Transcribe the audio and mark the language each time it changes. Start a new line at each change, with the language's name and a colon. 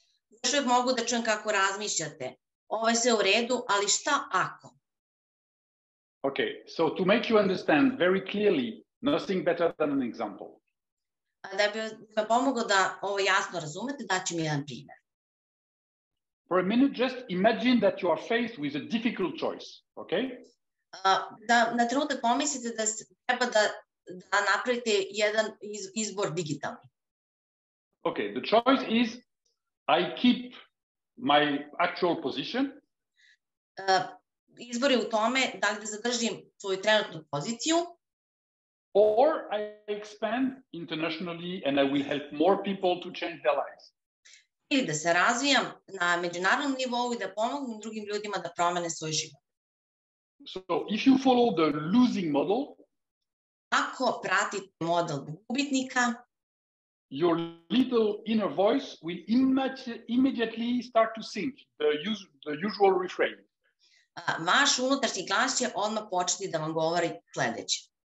Serbian: Još uvijek mogu da čujem kako razmišljate. Ovo je sve u redu, ali šta ako?
English: Okay, so to make you understand very clearly, nothing better than an example.
Serbian: Da bi vam pomogao da ovo jasno razumete, daću mi jedan primjer.
English: For a minute, just imagine that you are faced with a difficult choice, okay?
Serbian: Da na trenutak pomislite da treba da napravite jedan izbor digitalni.
English: Okay, the choice is I keep my actual position.
Serbian: Izbor je u tome da li da zadržim svoju trenutnu poziciju.
English: Or I expand internationally and I will help more people to change their lives.
Serbian: Ili da se razvijam na međunarodnom nivou i da pomognem drugim ljudima da promene svoj život.
English: So if you follow the losing model,
Serbian: ako pratite model gubitnika,
English: your little inner voice will immediately start to sing the usual refrain.
Serbian: Vaš unutrašnji glas će odmah početi da vam govori sledeće.